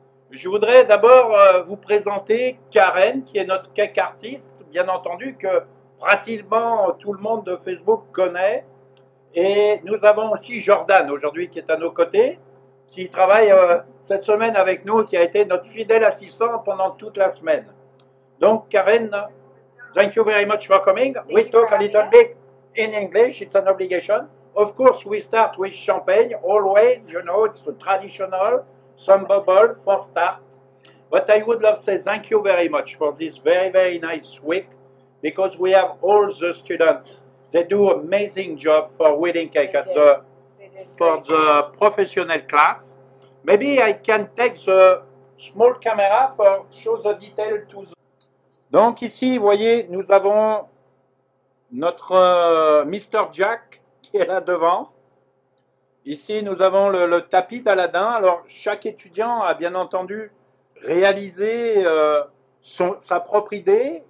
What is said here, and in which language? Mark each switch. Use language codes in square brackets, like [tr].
[fr] Je voudrais d'abord vous présenter Karen, qui est notre cake artiste, bien entendu, que pratiquement tout le monde de Facebook connaît. Et nous avons aussi Jordan aujourd'hui qui est à nos côtés, qui travaille cette semaine avec nous, qui a été notre fidèle assistant pendant toute la semaine. Donc [en] Karen, thank you very much for coming. We talk a little bit in English, it's an obligation. Of course, we start with champagne, always, you know, it's the traditional, some bubble for start. But I would love to say thank you very much for this very, very nice week, because we have all the students. They do amazing job for Wheeling Cake at the, for the professional class. Maybe I can take the small camera for show the detail to the... [fr] Donc ici, vous voyez, nous avons notre Mr. Jack qui est là devant. Ici, nous avons le tapis d'Aladin. Alors, chaque étudiant a bien entendu réalisé sa propre idée.